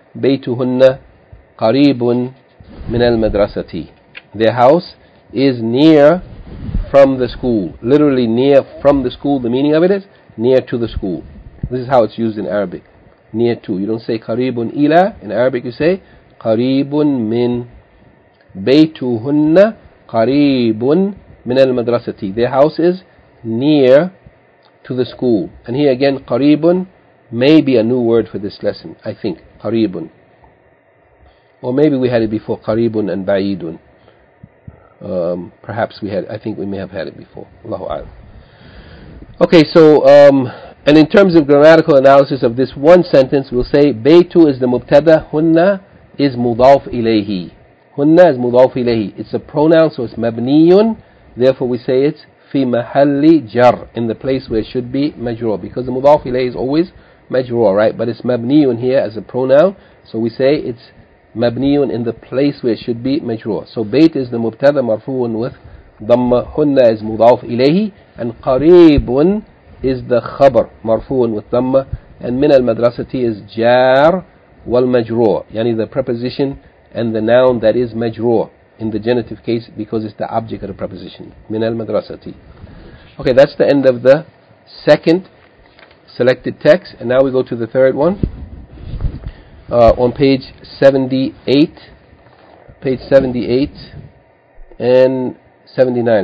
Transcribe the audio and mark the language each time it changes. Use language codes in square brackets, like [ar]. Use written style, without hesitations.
[ar] بيتهن قريب من المدرسة. [en] Their house is near from the school. Literally near from the school, the meaning of it is near to the school. This is how it's used in Arabic. Near to. You don't say [ar] قريب إلى. [en] In Arabic you say [ar] قريب من بيتهن قريب من المدرسة. [en] Their house is near to the school. And here again, قريب may be a new word for this lesson, I think. قريب. Or maybe we had it before, قريب and بعيد. Perhaps we had, I think we may have had it before. [ar] الله أعلم. [en] Okay, so, and in terms of grammatical analysis of this one sentence, we'll say, بيتو is the مبتدأ, هن is مضاف إليه. هن is مضاف إليه. It's a pronoun, so it's مبنيون. Therefore, we say it's في محل جر, in the place where it should be مجرور. Because the مضاف إليه is always مجرور, right? But it's مبنيون here as a pronoun. So we say it's مبنيون in the place where it should be مجرور. So بيت is the مبتدأ مرفوع with ضم, هن is مضاف إليه. And قريب is the خبر مرفوع with ضم. [ar] And من المدرسة is جار والمجرور. [en] يعني the preposition and the noun that is مجرور in the genitive case, because it's the object of the preposition. [ar] من المدرسة. [en] Okay, that's the end of the second selected text. And now we go to the third one. On page 78. Page 78 and 79.